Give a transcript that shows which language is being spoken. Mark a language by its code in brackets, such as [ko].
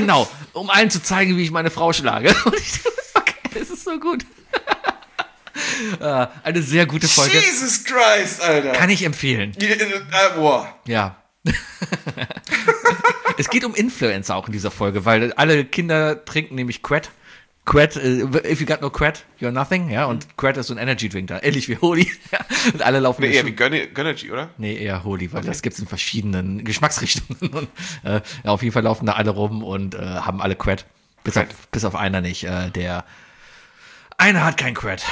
[de] Genau, um allen zu zeigen, wie ich meine Frau schlage. Okay, das ist so gut. Eine sehr gute Folge. [en] Jesus Christ, Alter. [de] Kann ich empfehlen. Ja. Es geht um Influencer auch in dieser Folge, weil alle Kinder trinken nämlich Quet. [en] Quet, if you got no Quet, you're nothing. [de] Ja, und Quet ist so ein Energy Drink da, ähnlich wie Holy. Und alle laufen. Nee, eher wie Gönnergy, oder? Nee, eher Holy, weil okay. Das gibt's in verschiedenen Geschmacksrichtungen. Und, ja, auf jeden Fall laufen da alle rum und haben alle Quet. Bis auf einer nicht. Der einer hat kein Quet.